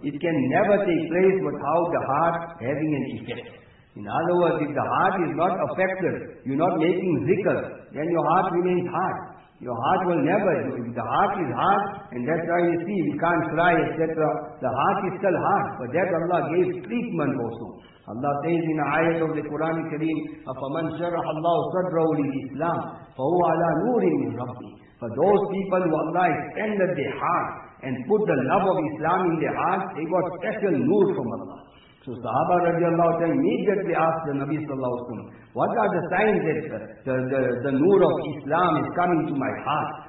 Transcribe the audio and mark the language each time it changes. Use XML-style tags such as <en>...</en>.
<en>It can never take place without the heart having an effect. In other words, if the heart is not affected, you're not making zikr, then your heart remains hard. Your heart will never, if the heart is hard, and that's why you see, we can't cry, etc. The heart is still hard, but that Allah gave treatment also. Allah says in the ayat of the Quran Kareem,</en> <ar>أَفَمَنْ شَرَحَ اللَّهُ صَدْرَهُ لِلْإِسْلَامِ فَهُوَ عَلَى نُورٍ مِنْ رَبِّهِ.</ar> <en>For those people who Allah extended their heart and put the love of Islam in their heart, they got special nur from Allah. So Sahaba radiallahu ta'ala immediately asked the Nabi sallallahu alayhi wa sallam, what are the signs that the nur of Islam is coming to my heart?</en>